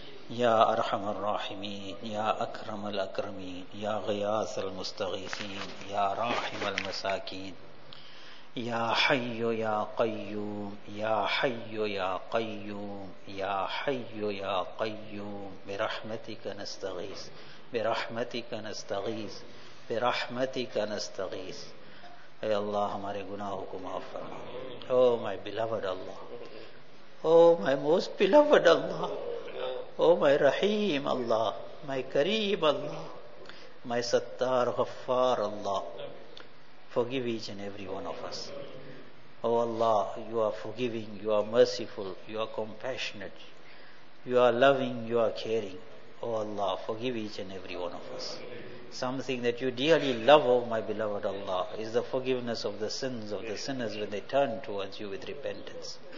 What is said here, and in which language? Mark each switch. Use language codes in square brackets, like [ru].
[ar] يا أرحم الراحمين، يا أكرم الأكرمين، يا غياث المستغيثين، يا راحم المساكين، يا حي يا قيوم، يا حي يا قيوم، يا حي يا قيوم، برحمتك نستغيث، برحمتك نستغيث، برحمتك نستغيث. [ur] اے اللہ ہمارے گناہوں کو معاف فرما. [en] Oh my beloved اللہ، oh my most beloved اللہ، oh my رحیم اللہ، مائی کریم اللہ، مائی ستار غفار اللہ. Forgive each and every one of us. Oh Allah, you are forgiving, you are merciful, you are compassionate, you are loving, you are caring. Oh Allah, forgive each and every one of us. Something that you dearly love, oh my beloved Allah, is the forgiveness of the sins of the sinners when they turn towards you with repentance.